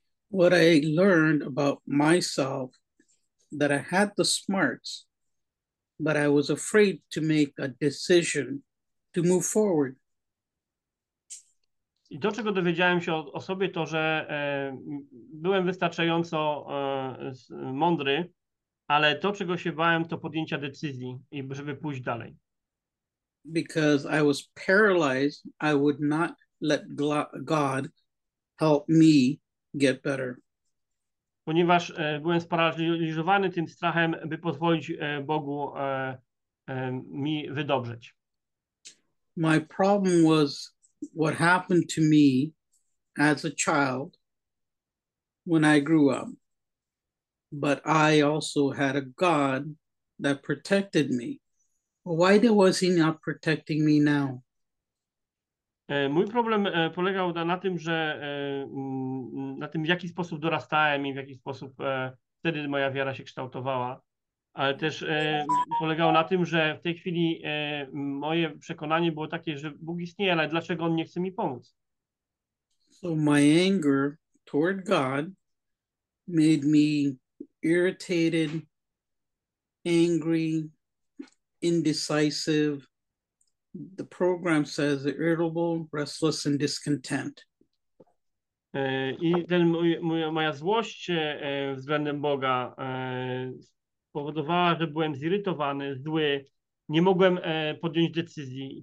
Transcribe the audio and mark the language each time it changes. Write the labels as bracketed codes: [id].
[en] What I learned about myself, that I had the smarts, but I was afraid to make a decision to move forward. [pl] I to, czego dowiedziałem się o sobie, to, że byłem wystarczająco mądry, ale to, czego się bałem, to podjęcia decyzji i żeby pójść dalej. [en] Because I was paralyzed, I would not let God help me get better. [pl] Ponieważ byłem sparaliżowany tym strachem, by pozwolić Bogu mi wydobrzeć. [en] My problem was what happened to me as a child when I grew up. But I also had a God that protected me. Why was he not protecting me now? [pl] Mój problem polegał na tym, że na tym, w jaki sposób dorastałem i w jaki sposób wtedy moja wiara się kształtowała, ale też polegał na tym, że w tej chwili moje przekonanie było takie, że Bóg istnieje, ale dlaczego On nie chce mi pomóc? [en] So my anger toward God made me irritated, angry, indecisive. The program says irritable, restless, and discontent. [pl] I ten moja złość względem Boga powodowała, że byłem zirytowany, zły, nie mogłem podjąć decyzji.